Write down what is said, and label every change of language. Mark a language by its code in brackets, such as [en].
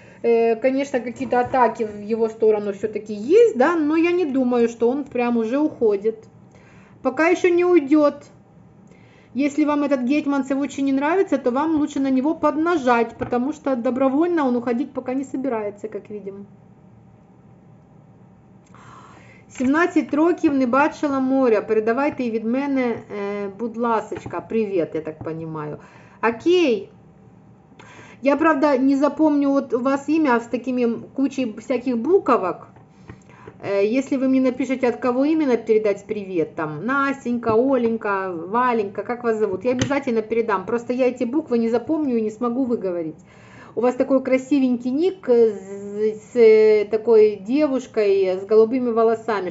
[ru] Конечно, какие-то атаки в его сторону все-таки есть, да, но я не думаю, что он прям уже уходит. Пока еще не уйдет. Если вам этот Гетманцев очень не нравится, то вам лучше на него поднажать, потому что добровольно он уходить пока не собирается, как видим. [uk] 17 років не бачила моря. Передавай ты від мене, будь ласочка. [ru] Привет, я так понимаю. Окей. Я, правда, не запомню вот у вас имя с такими кучей всяких буковок. Если вы мне напишите, от кого именно передать привет, там, Настенька, Оленька, Валенька, как вас зовут, я обязательно передам. Просто я эти буквы не запомню и не смогу выговорить. У вас такой красивенький ник с такой девушкой с голубыми волосами.